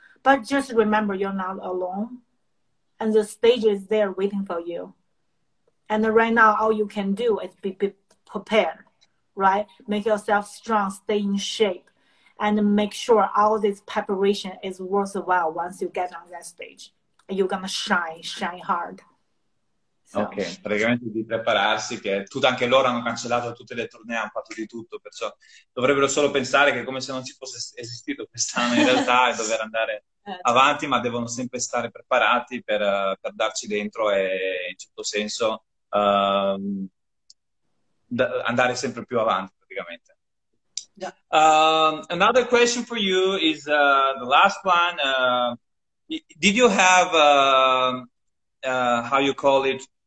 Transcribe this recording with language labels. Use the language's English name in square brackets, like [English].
[English] But just remember, you're not alone. And the stage is there waiting for you. And right now, all you can do is be prepared, right? Make yourself strong, stay in shape, and make sure all this preparation is worthwhile once you get on that stage. And you're going to shine hard. So. [Italian] Ok, praticamente di prepararsi, che anche loro hanno cancellato tutte le tournée, hanno fatto di tutto, perciò dovrebbero solo pensare che è come se non ci fosse esistito quest'anno in realtà e dover andare avanti, ma devono sempre stare preparati per darci dentro e in certo senso andare sempre più avanti praticamente. [English] Another question for you is the last one. Did you have how you call it?